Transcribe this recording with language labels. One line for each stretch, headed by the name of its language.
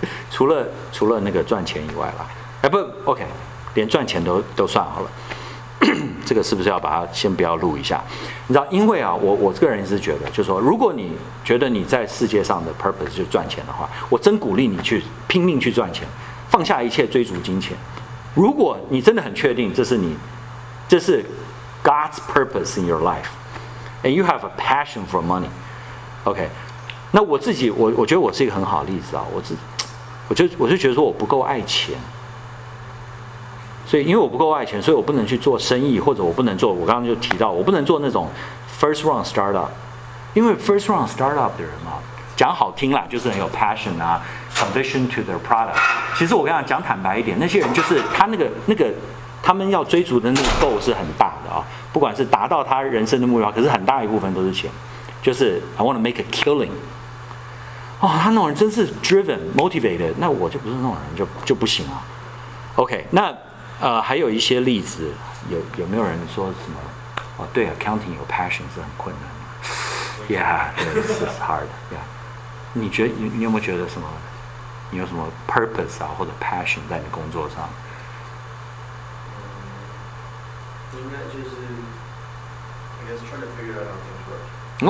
Chinese: 除了那个赚钱以外了，哎不 ，OK， 连赚钱都算好了。这个是不是要把它先不要录一下？你知道，因为啊，我个人是觉得，就是说，如果你觉得你在世界上的 purpose 就赚钱的话，我真鼓励你去拼命去赚钱，放下一切追逐金钱。如果你真的很确定这是
English: God's purpose in your life， and you have a passion for money， OK。
Chinese: 那我自己我觉得我是一个很好的例子啊，我就觉得说我不够爱钱，所以因为我不够爱钱，所以我不能去做生意，或者我不能做，我刚刚就提到我不能做那种 first round startup，因为 first round startup 的人嘛，讲好听啦就是很有 passion 啊
English: conviction to their product，
Chinese: 其实我跟你讲坦白一点，那些人就是他那个他们要追逐的那个 goal 是很大的啊，不管是达到他人生的目标，可是很大一部分都是钱，就是
English: I want to make a killing。
Chinese: 哦，他那种人真是
English: driven motivated，
Chinese: 那我就不是那种人，就不行啊。 OK， 那还有一些例子，有没有人说什么哦，对 accounting 有 passion 是很困难的。
English: Yeah it's hard。
Chinese: Yeah， 你觉得 你有没有觉得什么，你有什么 purpose 啊或者 passion 在你工作上？应该就是
English: I guess trying to figure out how things work。